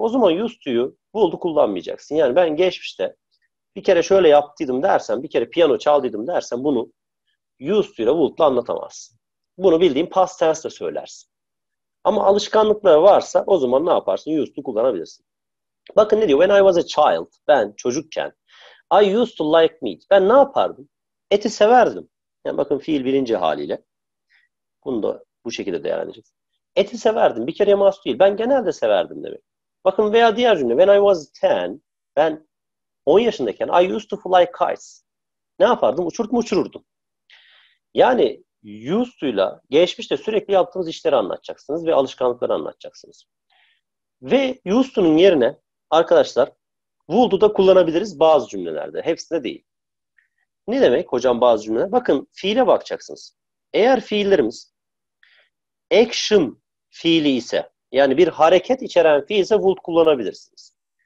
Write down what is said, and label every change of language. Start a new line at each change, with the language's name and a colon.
Turkish: O zaman used to'yu would'u kullanmayacaksın. Yani ben geçmişte bir kere şöyle yaptıydım dersen, bir kere piyano çaldıydım dersen bunu used to ile would'la anlatamazsın. Bunu bildiğin past tense'de söylersin. Ama alışkanlıkları varsa o zaman ne yaparsın? Used to kullanabilirsin. Bakın ne diyor?
English: When I was a child,
Turkish: ben çocukken,
English: I used to like meat.
Turkish: Ben ne yapardım? Eti severdim. Yani bakın fiil birinci haliyle. Bunu da bu şekilde değerlendireceğiz. Eti severdim. Bir kere mahsus değil. Ben genelde severdim demek. Bakın veya diğer cümle.
English: When I was 10,
Turkish: ben 10 yaşındayken,
English: I used to fly kites.
Turkish: Ne yapardım? Uçurtma uçururdum. Yani used to'yla geçmişte sürekli yaptığımız işleri anlatacaksınız ve alışkanlıkları anlatacaksınız. Ve used to'nun yerine arkadaşlar would'u da kullanabiliriz bazı cümlelerde. Hepsinde değil. Ne demek hocam bazı cümleler? Bakın fiile bakacaksınız. Eğer fiillerimiz action fiili ise, yani bir hareket içeren fiil ise would kullanabilirsiniz.